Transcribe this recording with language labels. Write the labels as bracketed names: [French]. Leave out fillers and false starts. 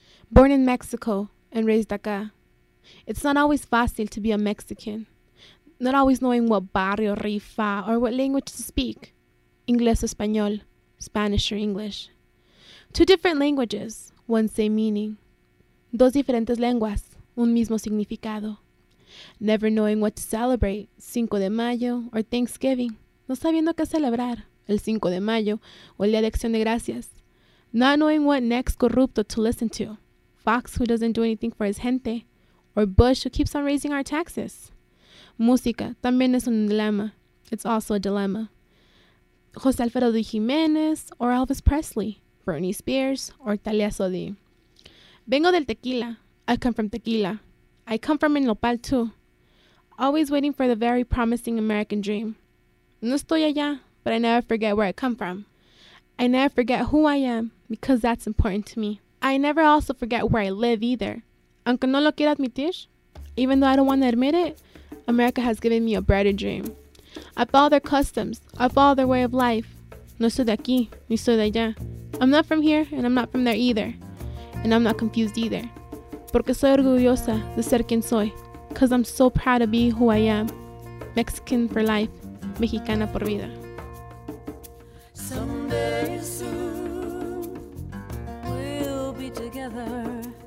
[English] Born in Mexico and raised acá. It's not always fácil to be a Mexican. Not always knowing what barrio rifa or what language to speak. [Spanish] Inglés o español, [English] Spanish or English. Two different languages, one same meaning. [Spanish] Dos diferentes lenguas, un mismo significado. [English] Never knowing what to celebrate, Cinco de Mayo or Thanksgiving. [Spanish] No sabiendo qué celebrar, el 5 de mayo o el día de Acción de Gracias. [English] Not knowing what next corrupto to listen to. Fox who doesn't do anything for his gente. Or Bush who keeps on raising our taxes. [Spanish] Música también es un dilema. [English] It's also a dilemma. José Alfredo de Jiménez or Elvis Presley. Britney Spears or Talia Sodi. [Spanish] Vengo del tequila. [English] I come from tequila. I come from el nopal too. Always waiting for the very promising American dream. [Spanish] No estoy allá, [English] but I never forget where I come from. I never forget who I am, because that's important to me. I never also forget where I live either. [Spanish] Aunque no lo quiera admitir, [English] even though I don't want to admit it, America has given me a brighter dream. I follow their customs, I follow their way of life. [Spanish] No soy de aquí, ni soy de allá. [English] I'm not from here, and I'm not from there either. And I'm not confused either. [Spanish] Porque soy orgullosa de ser quien soy, [English] because I'm so proud to be who I am. Mexican for life. [Spanish] Mexicana por vida. [English] Someday soon we'll be together.